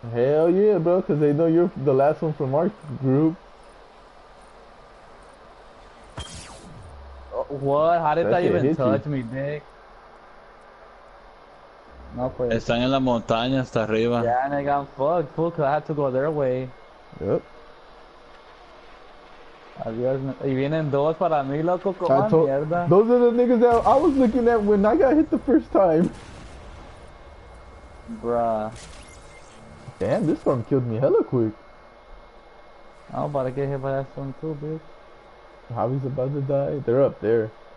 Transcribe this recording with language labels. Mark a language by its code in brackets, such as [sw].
[en] Hell yeah, bro, because they know you're the last one from our group. What? How did that even touch me, dick? [es] No, pues. Están en la montaña hasta arriba. [en] Yeah, and I got fucked, fool, because I had to go their way. Yep. [es] Adios. Y vienen dos para mí, loco, como mierda. [en] Those are the niggas that I was looking at when I got hit the first time. Bruh. Damn, this one killed me hella quick. I'm about to get hit by that one too, bitch. Javi's about to die. They're up there.